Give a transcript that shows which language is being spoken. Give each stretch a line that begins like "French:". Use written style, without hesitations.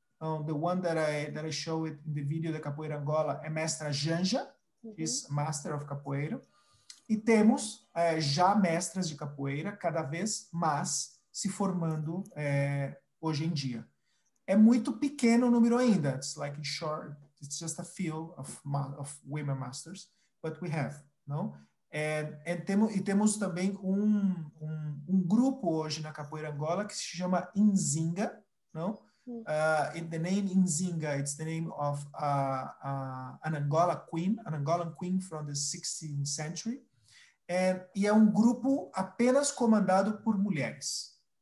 English: The one that I showed in the video
Portuguese: da Capoeira Angola é mestra Janja,
English: is master of capoeira.
Portuguese: E temos já mestras de capoeira cada vez mais se formando hoje em dia. É muito pequeno o número ainda.
English: It's like in short, it's just a few of women masters, but we have, não?
Portuguese: Temos também um grupo hoje na Capoeira Angola que se chama Nzinga, não?
English: In the name Nzinga, it's the name of an Angola queen, an Angolan queen from the 16th century.
Portuguese: E é um grupo apenas comandado por mulheres.